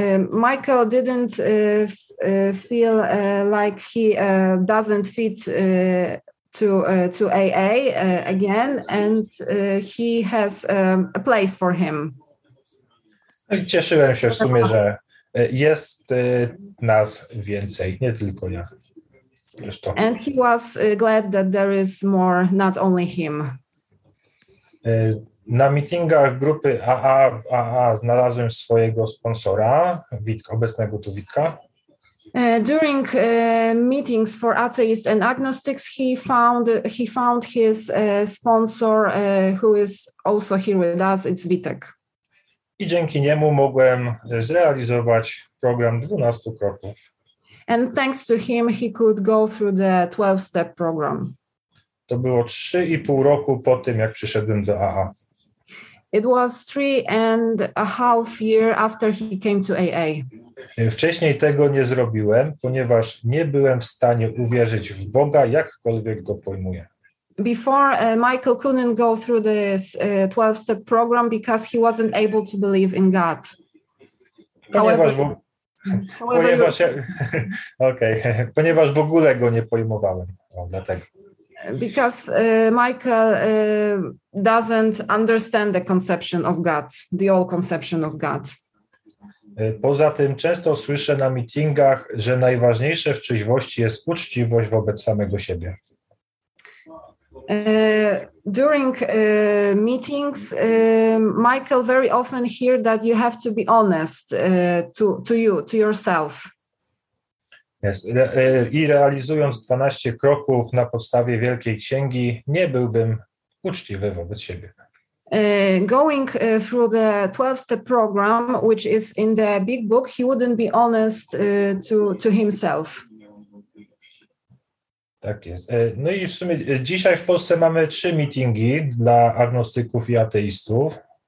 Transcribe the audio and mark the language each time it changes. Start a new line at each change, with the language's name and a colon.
English: Michael didn't feel like he doesn't fit to AA again, and he has a place for him.
Polish: Cieszyłem się w sumie, że jest nas więcej, nie tylko ja. Zresztą.
English: And he was glad that there is more, not only him.
Polish: Na meetingach grupy AA znalazłem swojego sponsora, obecnego tu Witka.
English: During meetings for atheists and agnostics, he found his sponsor, who is also here with us, it's Witek.
Polish: I dzięki niemu mogłem zrealizować program 12 kroków.
English: And thanks to him, he could go through the 12-step program.
Polish: To było 3,5 roku po tym, jak przyszedłem do AA.
English: It was 3.5 years after he came to AA.
Polish: Wcześniej tego nie zrobiłem, ponieważ nie byłem w stanie uwierzyć w Boga, jakkolwiek go pojmuję.
English: Before Michael couldn't go through this 12-step program because he wasn't able to believe in God.
Polish: Ponieważ,
English: However,
Polish: w, Ponieważ, okay. Ponieważ w ogóle go nie pojmowałem, no, dlatego.
English: Because Michael doesn't understand the conception of God, the old conception of God.
Polish: Poza tym często słyszę na meetingach, że najważniejsze w trzeźwości jest uczciwość wobec samego siebie.
English: During meetings, Michael very often hear that you have to be honest to yourself. Yes.
Polish: I realizując 12 kroków na podstawie Wielkiej Księgi, nie byłbym uczciwy wobec siebie.
English: Going through the 12-step program, which is in the big book, he wouldn't be honest to himself.
Polish: Tak jest. No i w sumie dzisiaj w Polsce mamy 3 meetingi dla agnostyków i ateistów.